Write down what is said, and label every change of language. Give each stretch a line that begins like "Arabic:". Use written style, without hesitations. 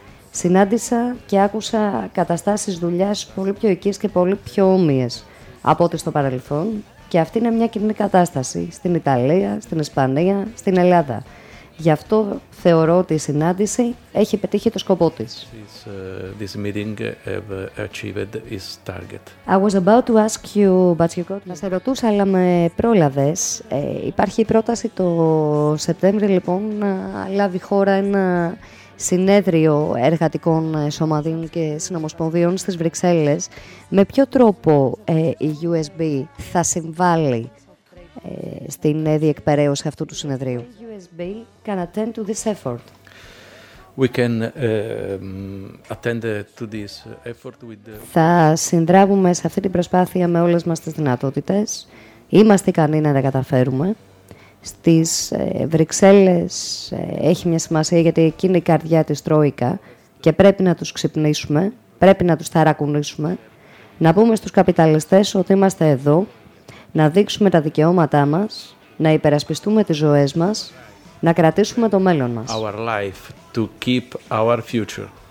Greek: Συνάντησα και άκουσα καταστάσεις δουλειάς πολύ πιο οικείς και πολύ πιο όμοιες από ό,τι στο παρελθόν, και αυτή είναι μια κοινή κατάσταση στην Ιταλία, στην Ισπανία, στην Ελλάδα. Γι' αυτό θεωρώ ότι η συνάντηση έχει πετύχει το σκοπό της.
English: This meeting have achieved its target. I was about to ask you, but you got...
Greek: Να σε ρωτούσα, αλλά με πρόλαβες. Υπάρχει η πρόταση το Σεπτέμβριο, λοιπόν, να λάβει χώρα ένα συνέδριο εργατικών σωματείων και συνομοσπονδιών στις Βρυξέλλες. Με ποιο τρόπο η USB θα συμβάλλει στην διεκπαιρέωση αυτού του συνεδρίου?
English: USB can attend to this effort. We can attend to this effort with the...
Greek: Θα συνδράμουμε σε αυτή την προσπάθεια με όλες μας τις δυνατότητες. Είμαστε ικανοί να τα καταφέρουμε. Στις Βρυξέλλες έχει μια σημασία, γιατί εκεί είναι η καρδιά της Τρόικα και πρέπει να τους ξυπνήσουμε, πρέπει να τους ταρακουνήσουμε. Να πούμε στους καπιταλιστές ότι είμαστε εδώ, να δείξουμε τα δικαιώματά μας, να υπερασπιστούμε τις ζωές μας, να κρατήσουμε το μέλλον μας.
English: Our life, to keep our future.